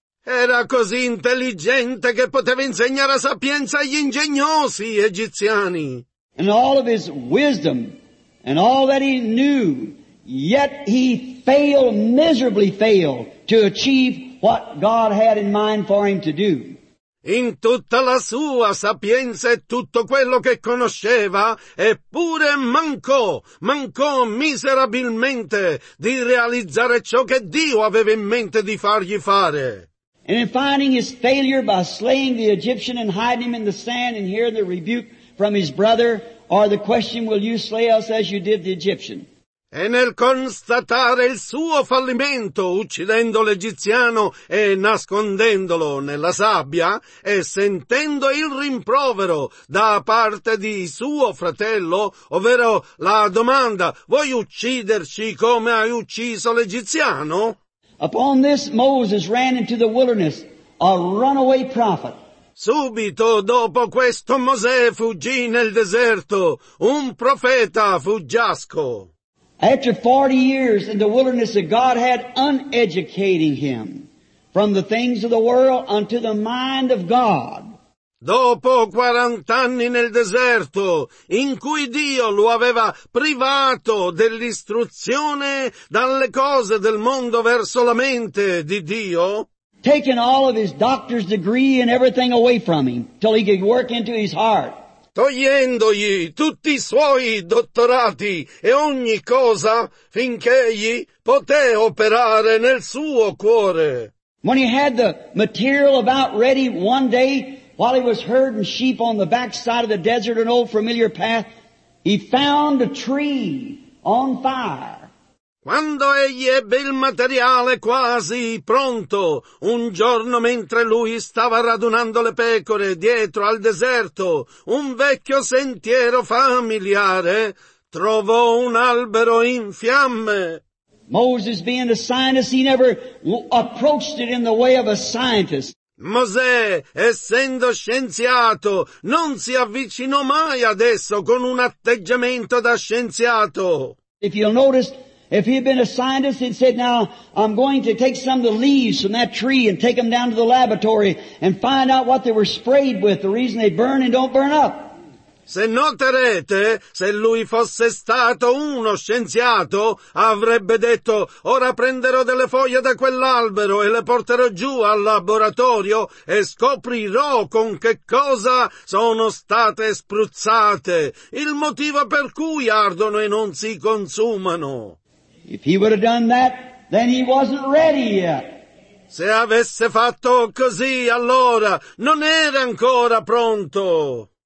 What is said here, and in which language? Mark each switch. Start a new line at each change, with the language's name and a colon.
Italian: Era così intelligente che poteva insegnare sapienza agli ingegnosi egiziani.
English: And all of his wisdom and all that he knew, yet he failed, miserably failed, to achieve what God had in mind for him to do.
Italian: In tutta la sua sapienza e tutto quello che conosceva, eppure mancò miserabilmente di realizzare ciò che Dio aveva in mente di fargli fare.
English: And in finding his failure by slaying the Egyptian and hiding him in the sand and hearing the rebuke from his brother, or the question, will you slay us as you did the Egyptian?
Italian: E nel constatare il suo fallimento uccidendo l'egiziano e nascondendolo nella sabbia e sentendo il rimprovero da parte di suo fratello, ovvero la domanda, vuoi ucciderci come hai ucciso l'egiziano?
English: Upon this Moses ran into the wilderness, a runaway prophet.
Italian: Subito dopo questo Mosè fuggì nel deserto, un profeta fuggiasco.
English: After 40 years in the wilderness that God had uneducating him from the things of the world unto the mind of God.
Italian: Dopo 40 anni nel deserto, in cui Dio lo aveva privato dell'istruzione dalle cose del mondo verso la mente di Dio,
English: taking all of his doctor's degree and everything away from him till he could work into his heart.
Italian: Togliendogli tutti i suoi dottorati e ogni cosa finché egli poté operare nel suo cuore.
English: When he had the material about ready one day, while he was herding sheep on the backside of the desert, an old familiar path, he found a tree on fire.
Italian: Quando egli ebbe il materiale quasi pronto, un giorno mentre lui stava radunando le pecore dietro al deserto, un vecchio sentiero familiare, trovò un albero in fiamme.
English: Moses, being a scientist, he never approached it in the way of a scientist.
Italian: Mosè, essendo scienziato, non si avvicinò mai ad esso con un atteggiamento da scienziato.
English: If you'll notice, if he had been a scientist, he'd said, now I'm going to take some of the leaves from that tree and take them down to the laboratory and find out what they were sprayed with, the reason they burn and don't burn up.
Italian: Se noterete, se lui fosse stato uno scienziato, avrebbe detto, ora prenderò delle foglie da quell'albero e le porterò giù al laboratorio e scoprirò con che cosa sono state spruzzate, il motivo per cui ardono e non si consumano.
English: If he would have done that, then he wasn't ready yet.
Italian: Se avesse fatto così, allora non era ancora pronto.